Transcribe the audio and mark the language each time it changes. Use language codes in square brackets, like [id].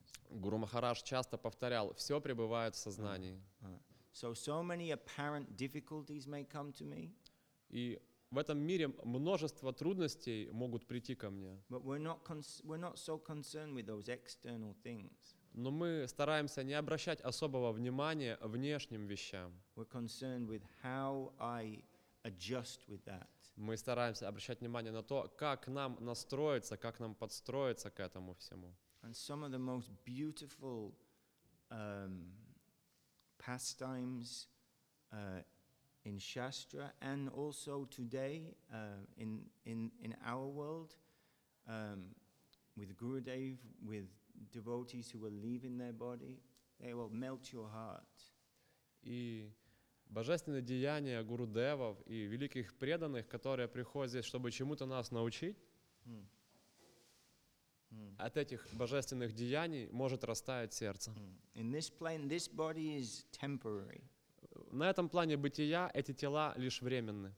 [ru] Гуру Махарадж часто повторял: все пребывает в сознании. [en] So many apparent difficulties may come to me. [ru] И в этом мире множество трудностей могут прийти ко мне. [en] But we're not so concerned with those external things. [ru] Но мы стараемся не обращать особого внимания внешним вещам. [en] We're concerned with how I adjust with that. [ru] Мы стараемся обращать внимание на то, как нам настроиться, как нам подстроиться к этому всему. [en] And some of the most beautiful pastimes in Shastra and also today in our world with Gurudev, with devotees who are leaving their body, they will melt your heart. [ru] И божественные деяния гурудевов и великих преданных, которые приходят здесь, чтобы чему-то нас научить, от этих божественных деяний может растаять сердце. [en] In this plane, this body is temporary. [ru] На этом плане бытия эти тела лишь временны.